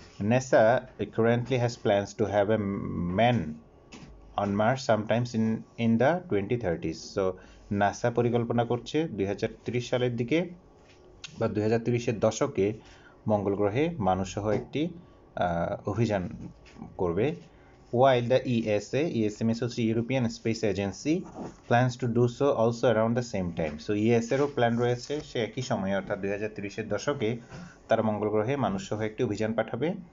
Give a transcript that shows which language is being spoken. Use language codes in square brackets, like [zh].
[en] NASA currently has plans to have a man on Mars sometimes in the 2030s। [bn] So NASA পরিকল্পনা করছে 2030 সালের দিকে বা 2030-এর দশকে মঙ্গল গ্রহে মানুষসহ একটি অভিযান করবে। [en] While the ESA, ESA means also European Space Agency, plans to do so also around the same time. [bn] So ESA-র plan রয়েছে সে একই সময়ে, অর্থাৎ 2030-এর দশকে তারা মঙ্গল গ্রহে মানুষসহ একটি অভিযান পাঠাবে।